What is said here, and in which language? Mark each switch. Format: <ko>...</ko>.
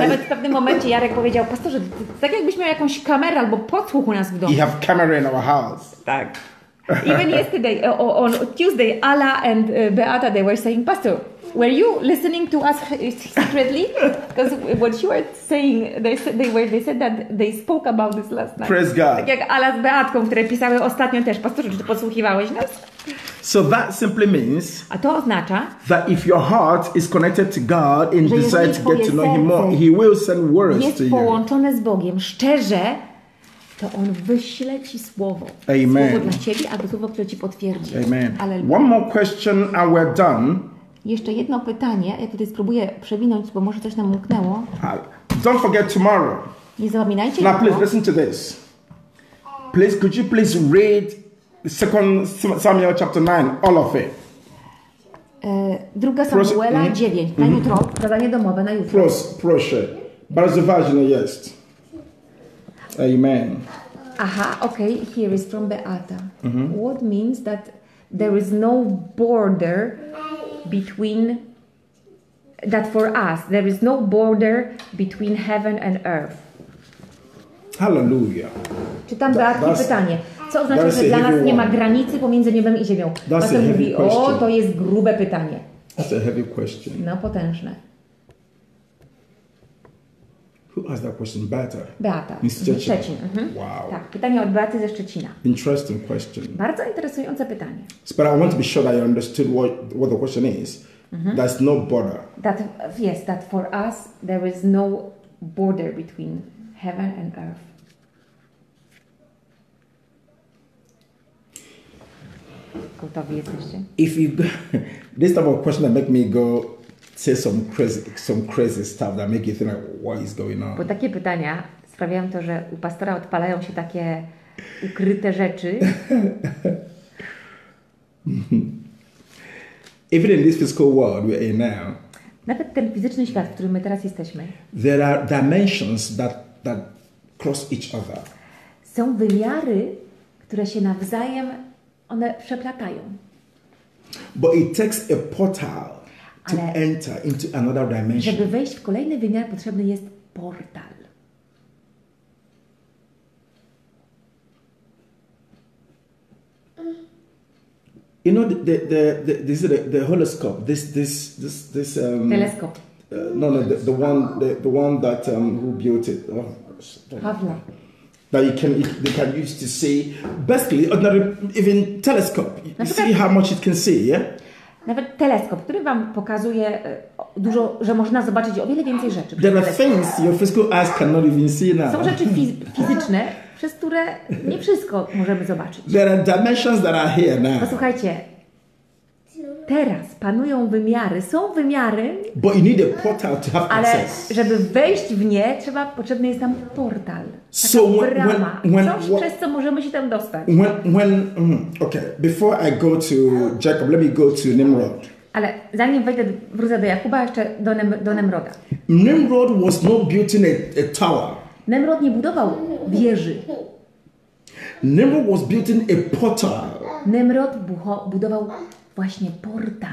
<pl>Nawet w pewnym momencie Jarek powiedział, Pastorze, tak jakbyś miał jakąś kamerę albo podsłuch u nas w domu.</pl> <en>You have camera in our house.</en> <pl>Tak.</pl> <en>Even yesterday, on Tuesday, Ala and Beata, they were saying, Pastor, were you listening to us secretly? Because what you were saying, they said that they spoke about this last night. Praise God.</en> <pl>Tak jak Ala z Beatką, które pisały ostatnio też. Pastor, czy ty podsłuchiwałeś nas?</pl> <en>So that simply means,</en> <pl>a to oznacza,</pl> <en>that if your heart is connected to God and desire to get to know Him more, He will send words to you.</en> <pl>Jest połączone z Bogiem, szczerze, to On wyśle Ci słowo.</pl> <en>Amen.</en> <pl>Słowo dla Ciebie, aby słowo, które Ci potwierdzi. Amen. Alleluja.</pl> <en>One more question and we're done.</en> <pl>Jeszcze jedno pytanie. Ja tutaj spróbuję przewinąć, bo może coś nam umknęło.</pl> <en>Don't forget tomorrow.</en> <pl>Nie zapominajcie jutro.</pl> <en>Now please listen to this. Please, could you please read 2 Samuel chapter 9, all of it.</en> <pl>Druga Samuela 9, na jutro. Zadanie domowe na jutro. Proszę. Bardzo ważne jest. Amen.</pl> <en>Aha, okay, here is from Beata. What means that there is no border between that for us, there is no border between heaven and earth. Hallelujah.</en> <pl>Czytam Beatki pytanie. Co oznacza, że dla nas nie ma granicy pomiędzy niebem i ziemią? Pastor mówi, o, to jest grube pytanie.</pl> <en>That's a heavy question.</en> <pl>No, potężne.</pl> <en>Who asked that question? Beata. Beata. In Szczecin. Wow.</en> <pl>Tak, pytanie od Beaty ze Szczecina.</pl> <en>Interesting question.</en> <pl>Bardzo interesujące pytanie.</pl> <en>But I want to be sure that you understood what the question is. Mm-hmm. There's no border. That, yes, that for us there is no border between heaven and earth.</en> <pl>Gotowi jesteście?</pl> <en>If you this type of question that make me go say some crazy stuff that make you think like, what is going on?</en> <pl>Bo takie pytania sprawiają to, że u pastora odpalają się takie ukryte rzeczy.</pl> <en>Even in this physical world we are in now.</en> <pl>Nawet ten fizyczny świat, w którym my teraz jesteśmy.</pl> <en>There are dimensions that cross each other.</en> <pl>Są wymiary, które się nawzajem one przeplatają.</pl> <en>But it takes a portal.</en> <pl>Ale</pl> <en>to enter into another dimension.</en> <pl>Żeby wejść w kolejny wymiar, potrzebny jest portal.</pl> <en>You know the horoscope. This telescope. The one that who built it. Havla. That you can use to see basically ordinary even telescope. You see how much it can see, yeah?</en> <pl>Nawet teleskop, który wam pokazuje dużo, że można zobaczyć o wiele więcej rzeczy.</pl> <en>There are things your physical eyes cannot even see now.</en> <pl>Są rzeczy fizyczne, przez które nie wszystko możemy zobaczyć.</pl> <en>There are dimensions that are here now.</en> <pl>Posłuchajcie. Teraz panują wymiary, są wymiary.</pl> <en>But you need a portal to have</en> <pl>ale</pl> <en>access.</en> <pl>Ale żeby wejść w nie, trzeba potrzebny jest tam portal. Taka so brama. Przez co możemy się tam dostać?</pl> <en>Okay, before I go to Jacob, let me go to Nimrod.</en> <pl>Ale zanim wrócę do Jakuba, jeszcze do Nimroda.</pl> <en>Nimrod was not building a tower.</en> <pl>Nimrod nie budował wieży.</pl> <en>Nimrod was building a portal.</en> <pl>Nimrod budował właśnie portal.</pl>